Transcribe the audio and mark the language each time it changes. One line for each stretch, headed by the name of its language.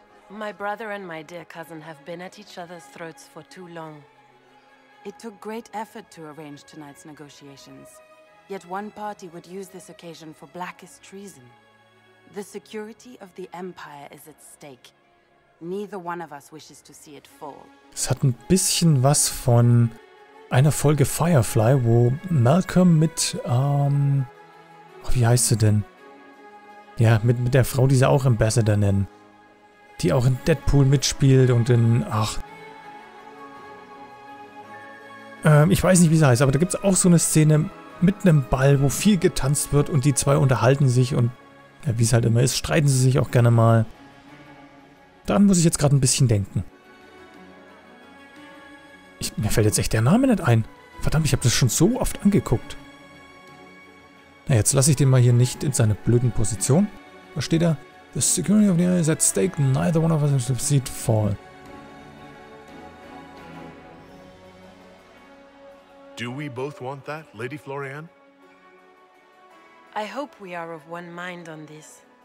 English: My brother and my dear cousin have been at each other's throats for too long. It took great effort to arrange tonight's negotiations. Yet one party would use this occasion for blackest treason. The security of the Empire is at stake. Neither one of us wishes to see it fall.
German: Es hat ein bisschen was von einer Folge Firefly, wo Malcolm mit, wie heißt sie denn? Ja, mit der Frau, die sie auch Ambassador nennen. Die auch in Deadpool mitspielt und in, ach. Ich weiß nicht, wie sie heißt, aber da gibt es auch so eine Szene mit einem Ball, wo viel getanzt wird und die zwei unterhalten sich und, ja, wie es halt immer ist, streiten sie sich auch gerne mal. Daran muss ich jetzt gerade ein bisschen denken. Mir fällt jetzt echt der Name nicht ein. Verdammt, ich habe das schon so oft angeguckt. Na, jetzt lasse ich den mal hier nicht in seine blöden Position. Da steht er.
English: The security of the area is at stake. Neither one of us will see it fall. Do we both want that, Lady Floriane? I hope we are of one mind on this.